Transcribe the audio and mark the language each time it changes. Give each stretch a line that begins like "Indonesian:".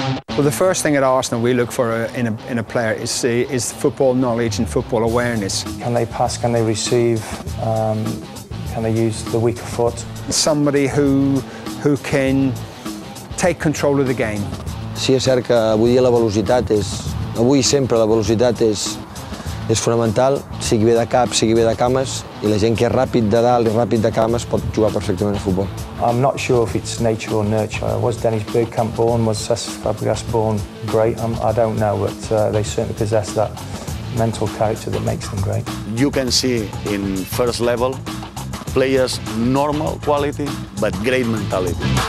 English: Well, the first thing at Arsenal we look for in a player is football knowledge and football awareness. Can they pass, can they receive? Can they use the weaker foot? Somebody who can take control of the game.
Catalan: Sí, és cert que avui dia la velocitat és... Avui sempre la velocitat és fonamental, sigui bé de cap, sigui bé de cames, i la gent que és ràpid de dalt i ràpid de cames pot jugar perfectament a futbol.
English: I'm not sure if it's nature or nurture. Was Dennis Bergkamp born? Was Cesc Fabregas born great? I don't know, but they certainly possess that mental character that makes them great. You can see in first level players normal quality, but great mentality.